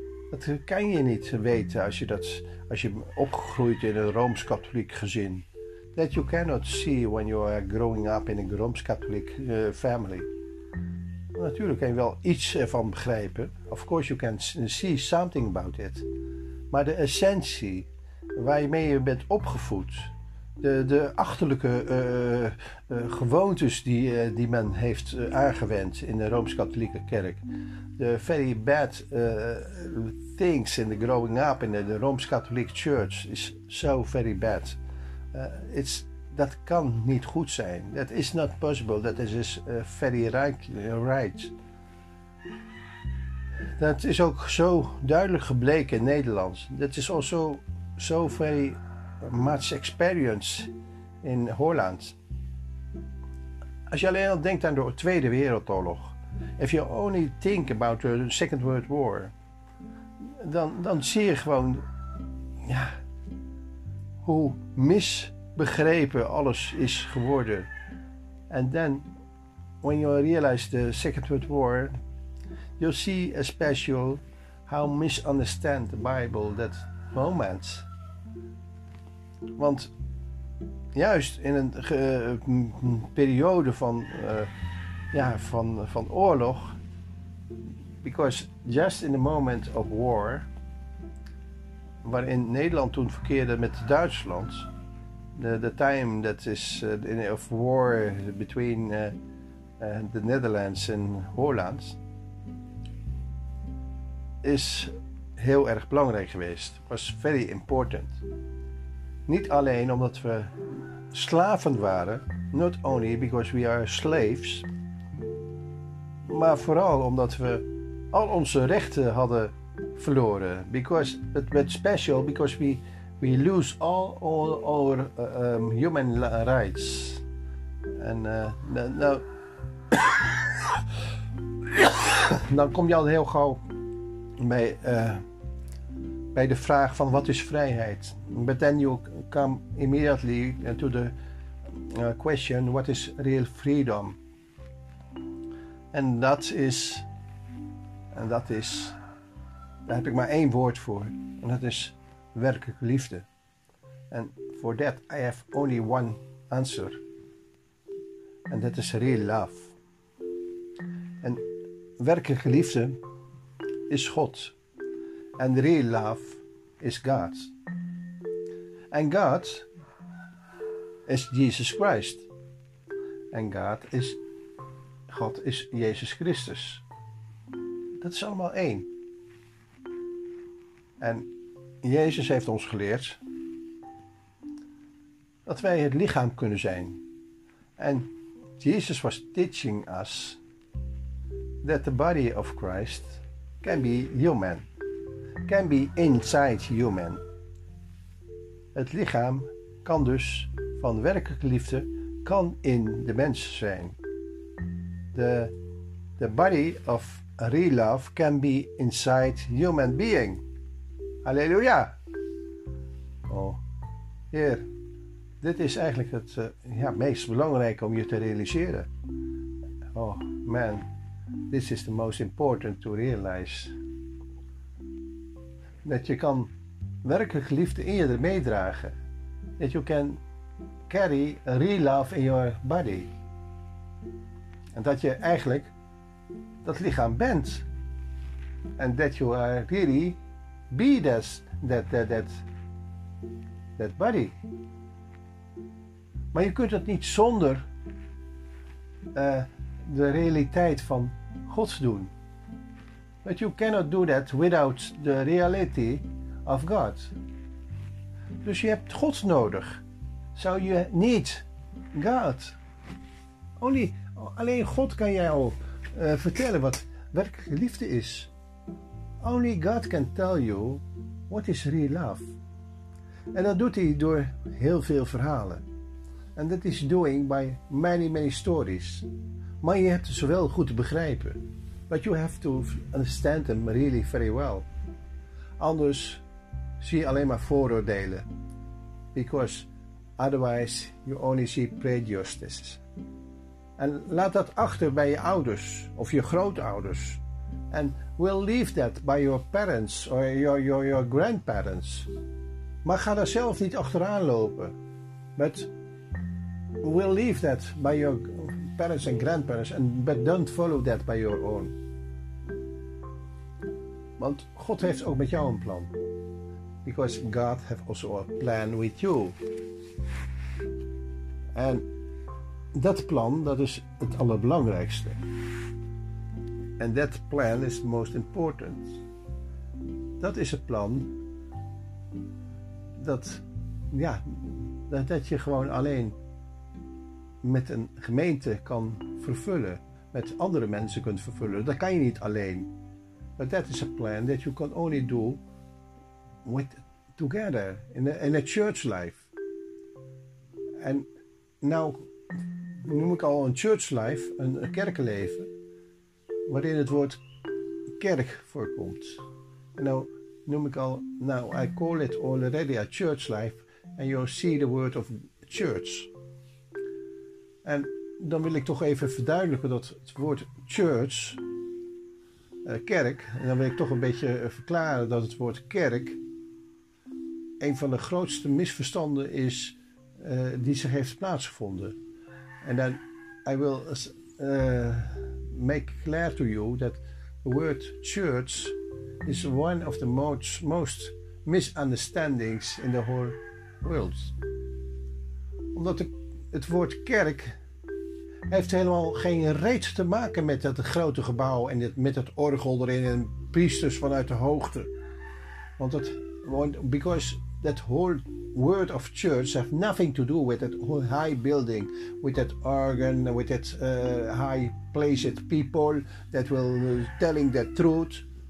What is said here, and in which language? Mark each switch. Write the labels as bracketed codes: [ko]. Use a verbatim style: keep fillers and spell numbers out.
[nl] Dat kan je niet weten als je dat... Als je opgegroeid in een Rooms-Katholiek gezin. [en] That you cannot see when you are growing up in a Rooms-Katholiek uh, family. [nl] Natuurlijk kan je wel iets ervan begrijpen. [en] Of course you can see something about it. [nl] Maar de essentie waarmee je bent opgevoed. De, de achterlijke uh, uh, gewoontes die, uh, die men heeft uh, aangewend in de Rooms-Katholieke kerk. [en] The very bad uh, things in the growing up in the, the Rooms-Katholic Church is so very bad. [nl] Uh, [en] it's, [nl] dat kan niet goed zijn. [en] That is not possible. That is uh, very right, right. [nl] Dat is ook zo duidelijk gebleken in Nederland. [en] That is also so very much experience in Holland. [nl] Als je alleen al denkt aan de Tweede Wereldoorlog. [en] If you only think about the Second World War, [nl] dan, dan zie je gewoon ja, hoe misbegrepen alles is geworden. [en] And then, when you realize the Second World War, you see especially how misunderstand the Bible that moment. [nl] Want juist in een uh, periode van... [en] Uh, [nl] Ja, van, van oorlog. [en] Because just in the moment of war, [nl] waarin Nederland toen verkeerde met Duitsland, [en] the, the time that is uh, of war between uh, uh, the Netherlands and Holland, [nl] is heel erg belangrijk geweest. [en] Was very important. [nl] Niet alleen omdat we slaven waren, [en] not only because we are slaves, [nl] maar vooral omdat we al onze rechten hadden verloren. [en] Because, but, but special because we, we lose all, all our uh, um, human rights. [nl] En uh, nou, nou dan kom je al heel gauw bij, uh, bij de vraag van wat is vrijheid? [en] But then you come immediately to the uh, question what is real freedom? [nl] En dat is, en dat is, daar heb ik maar één woord voor. En dat is werkelijke liefde. [en] And for that I have only one answer. And that is real love. [nl] En werkelijke liefde is God. [en] And real love is God. And God is Jesus Christ. And God is, God is Jezus Christus. [nl] Dat is allemaal één. En Jezus heeft ons geleerd dat wij het lichaam kunnen zijn. [en] En Jesus was teaching us that the body of Christ can be human, can be inside human. [nl] Het lichaam kan dus van werkelijke liefde, kan in de mens zijn. [en] The, the body of real love can be inside human being. Halleluja! [nl] Oh, Heer, dit is eigenlijk het uh, ja, meest belangrijke om je te realiseren. [en] Oh man, this is the most important to realize. [nl] Dat je kan werkelijk liefde in je meedragen. [en] That you can carry real love in your body. [nl] En dat je eigenlijk dat lichaam bent. [en] And that you are really be that, that, that, that, that body. [nl] Maar je kunt dat niet zonder uh, de realiteit van God doen. [en] But you cannot do that without the reality of God. [nl] Dus je hebt God nodig. [en] So you need God. Only, [nl] alleen God kan jou uh, vertellen wat werkelijke liefde is. [en] Only God can tell you what is real love. [nl] En dat doet hij door heel veel verhalen. En dat is [en] doing by many, many stories. [nl] Maar je hebt ze wel goed te begrijpen. [en] But you have to understand them really very well. [nl] Anders zie je alleen maar vooroordelen. [en] Because otherwise you only see prejudices. [nl] En laat dat achter bij je ouders of je grootouders. [en] And we'll leave that by your parents or your, your, your grandparents. [nl] Maar ga daar zelf niet achteraan lopen. [en] But we'll leave that by your parents and grandparents. And, but don't follow that by your own. [nl] Want God heeft ook met jou een plan. [en] Because God has also a plan with you. [nl] En dat plan, dat is het allerbelangrijkste. [en] And that plan is most important. [nl] Dat is het plan dat, ja, dat, dat je gewoon alleen met een gemeente kan vervullen, met andere mensen kunt vervullen. Dat kan je niet alleen. [en] But that is a plan that you can only do with, together in a, in a church life. [nl] En nou noem ik al een church life, een, een kerkenleven, waarin het woord kerk voorkomt. En nou noem ik al, [en] now I call it already a church life, and you see the word of church. [nl] En dan wil ik toch even verduidelijken dat het woord church, uh, kerk, en dan wil ik toch een beetje verklaren dat het woord kerk een van de grootste misverstanden is uh, die zich heeft plaatsgevonden. En dan, [en] I will uh, make clear to you that the word church is one of the most, most misunderstandings in the whole world. [nl] Omdat de, het woord kerk heeft helemaal geen reet te maken met dat grote gebouw en het, met het orgel erin en priesters vanuit de hoogte. Want dat, [en] because that whole word of church have nothing to do with that whole high building, with that organ, with that uh, high placed people that will telling the truth.